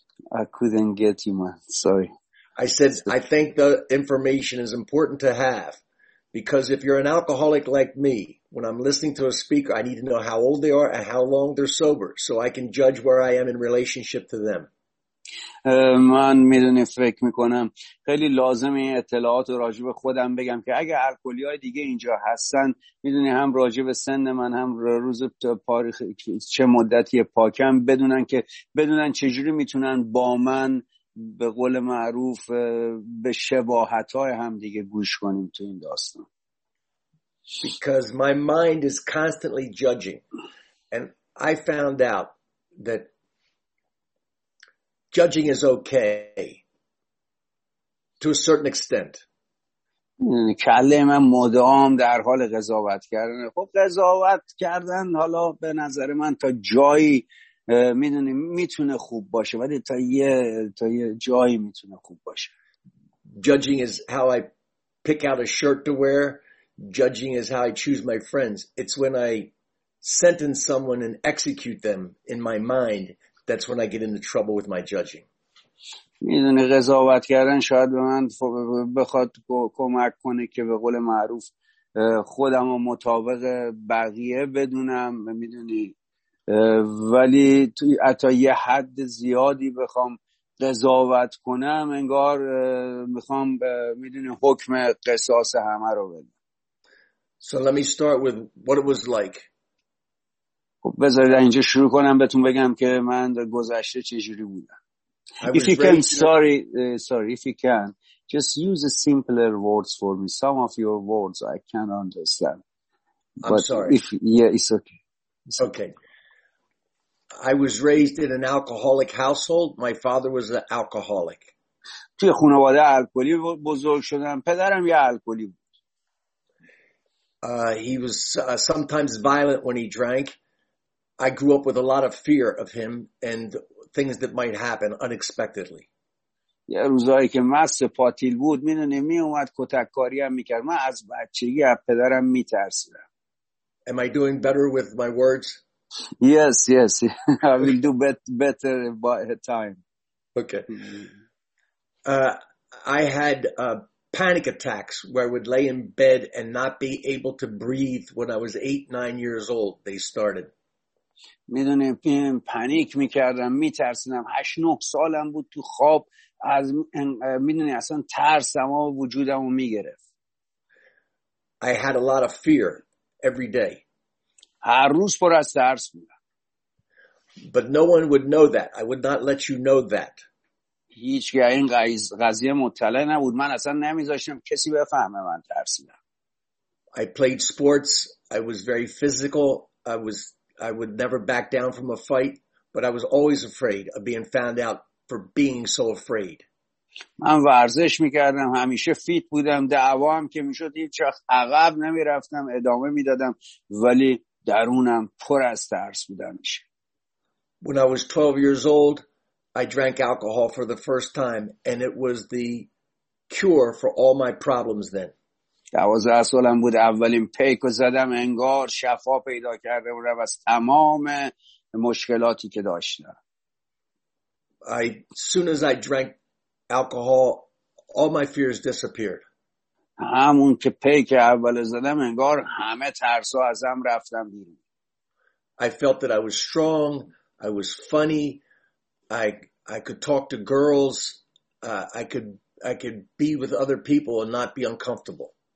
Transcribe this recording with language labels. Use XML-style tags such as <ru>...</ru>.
<en>I couldn't get you, man. Sorry. I said I think the information is important to have, because if you're an alcoholic like me, when I'm listening to a speaker, I need to know how old they are and how long they're sober, so I can judge where I am in relationship to them.</en> <fa>من میدونی فکر میکنم خیلی لازمه این اطلاعات راجع به خودم بگم که اگه الکلی های دیگه اینجا هستن، میدونی هم راجع به سن من هم روز تاریخ چه مدتی پاکم بدونن، که بدونن چجوری میتونن با من به قول معروف به شباهت های هم دیگه گوش کنیم تو این داستان.</fa> <en>Because my mind is constantly judging, and I found out that judging is okay to a certain extent.</en> <fa>کله من مدام در حال قضاوت کردن. خب قضاوت کردن حالا به نظر من تا جایی میدونی میتونه خوب باشه، ولی تا یه جایی میتونه خوب باشه.</fa> <en>Judging is how I pick out a shirt to wear. Judging is how I choose my friends. It's when I sentence someone and execute them in my mind, that's when I get into trouble with my judging.</en> <fa>میدونی قضاوت کردن شاید به من بخواد کمک کنه که به قول معروف خودم رو مطابق بقیه بدونم، میدونی، ولی توی حتی یه حد زیادی بخوام قضاوت کنم انگار میخوام میدونی حکم قصاص همه رو بدم.</fa> <en>So let me start with what it was like.</en> <fa>خب بذارید اینجا شروع کنم بهتون بگم که من در گذشته چجوری بودم.</fa> <en>If you can, just use a simpler words for me. Some of your words I can't understand. But I'm sorry. It's okay. I was raised in an alcoholic household. My father was an alcoholic.</en> <fa>توی خانواده الکلی بزرگ شدم. پدرم یه الکلی بود.</fa> <en>He was sometimes violent when he drank. I grew up with a lot of fear of him and things that might happen unexpectedly.</en> <fa>یه روزایی که مست پاتیل بود میدونی میومد کتککاری هم میکرد. من از بچگی از پدرم میترسیدم.</fa> <en>Am I doing better with my words? Yes, yes. I will do better by time. Okay. I had panic attacks where I would lay in bed and not be able to breathe when I was 8-9 years old. They started.</en> <fa>میدونی پانیک میکردم میترسیدم 8-9 سالم بود تو خواب از میدونی اصلا ترسم و وجودمو میگرفت.</fa> <en>I had a lot of fear every day.</en> <fa>هر روز پر از ترس بودم.</fa> <en>But no one would know that. I would not let you know that.</en> <fa>هیچ کی این قضیه مطلع نبود. من اصلا نمیذاشتم کسی بفهمه من ترسیدم.</fa> <en>I played sports. I was very physical. I would never back down from a fight, but I was always afraid of being found out for being so afraid.</en> <fa>من ورزش میکردم، همیشه فیت بودم، دعوام که میشد هیچ وقت عقب نمیرفتم، ادامه میدادم، ولی درونم پر از ترس بودم.</fa> <en>When I was 12 years old, I drank alcohol for the first time, and it was the cure for all my problems then.</en> <fa>12 سالم بود اولین پیکو زدم انگار شفا پیدا کرده بودم از تمام مشکلاتی که داشتم.</fa> <en>As soon as I drank alcohol, all my fears disappeared.</en> <fa>همون که پیک اول زدم انگار همه ترسا ازم رفتن بیرون.</fa> <en>I felt that I was strong, I was funny, I could talk to girls, I could be with other people and not be uncomfortable.</en>